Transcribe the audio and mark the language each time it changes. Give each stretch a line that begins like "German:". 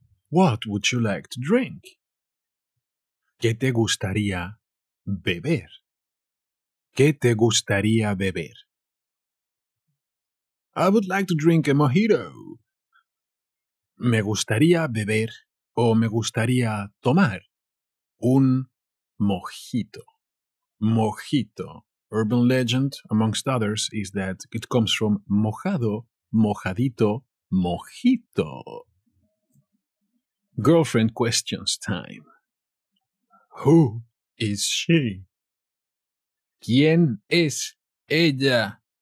English: What would you like to drink?
Spanish: ¿Qué te gustaría beber? ¿Qué te gustaría beber?
English: I would like to drink a mojito.
Spanish: me gustaría beber o me gustaría tomar un mojito. Mojito.
English: Urban legend, amongst others, is that it comes from mojado, mojadito, mojito. Girlfriend questions time. Who is she?
Spanish: ¿Quién es ella?